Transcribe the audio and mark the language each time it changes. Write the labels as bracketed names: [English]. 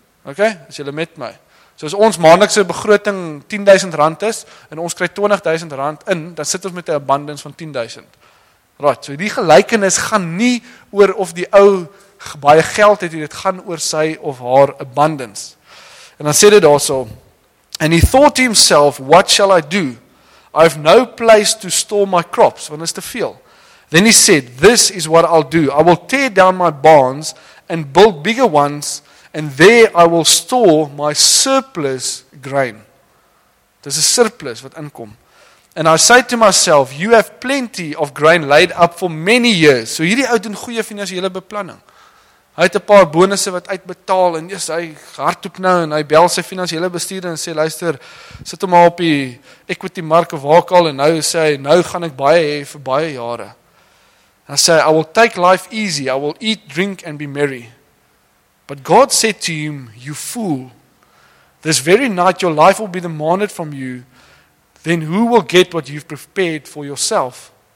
[Afrikaans] Ok, as jylle met my. So as ons maandelikse begroting 10.000 rand is, en ons krijg 20.000 rand in, dan sit ons met die abundance van 10.000. Right, so die gelykenis gaan nie oor of die ou baie geld het, dit gaan oor sy of haar abundance. En dan sê dit [English] also, and he thought to himself, what shall I do? I have no place to store my crops, [Afrikaans] want is te veel. [English] Then he said, this is what I'll do. I will tear down my barns and build bigger ones, and there I will store my surplus grain. [Afrikaans] Dis is surplus wat inkom. [English] And I say to myself, you have plenty of grain laid up for many years. [Afrikaans] So hierdie ou doen goeie finansiële beplanning. Hy het 'n paar bonusse wat uitbetaal, en yes, hy hardloop nou, en hy bel sy finansiële bestuurder, en sê, luister, sit hom maar op die equity mark of waar al, en nou sê hy, nou gaan ek baie hê vir baie jare. En hy sê, [English] I will take life easy, I will eat, drink and be merry. But God said to him, you fool, this very night your life will be demanded from you, then who will get what you've prepared for yourself?